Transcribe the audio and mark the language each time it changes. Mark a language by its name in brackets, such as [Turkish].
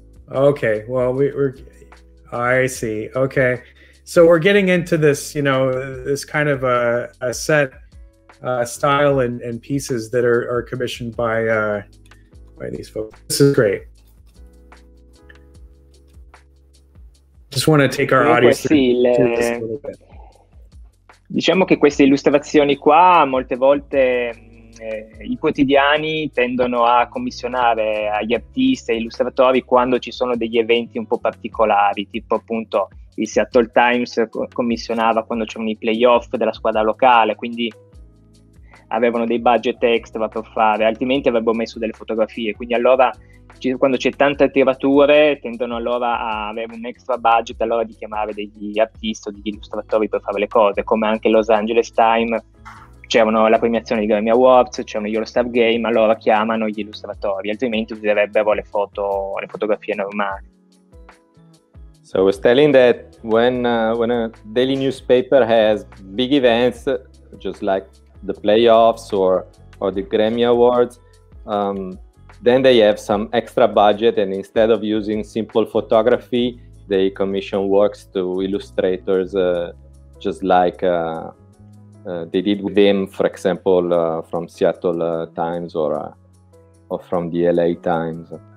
[English] Okay, well, I see. Okay, so we're getting into this, you know, this kind of a set style and pieces that are commissioned by these folks. This is great. Just want to take our audience through this a little bit. [Italian] Diciamo che queste illustrazioni qua molte volte i quotidiani tendono a commissionare agli artisti e illustratori quando ci sono degli eventi un po' particolari, tipo appunto il Seattle Times commissionava quando c'erano i playoff della squadra locale, quindi avevano dei budget extra per fare, altrimenti avrebbero messo delle fotografie. Quindi allora, quando c'è tante tirature, tendono allora a avere un extra budget allora di chiamare degli artisti o degli illustratori per fare le cose, come anche Los Angeles Time. C'erano la premiazione di Grammy Awards, c'erano gli All-Star Game, allora chiamano gli illustratori, altrimenti userebbero le fotografie normali. [English] So I was telling that when a daily newspaper has big events, just like the playoffs or the Grammy Awards, then they have some extra budget, and instead of using simple photography, they commission works to illustrators, just like they did with them, for example, from Seattle Times or from the LA Times.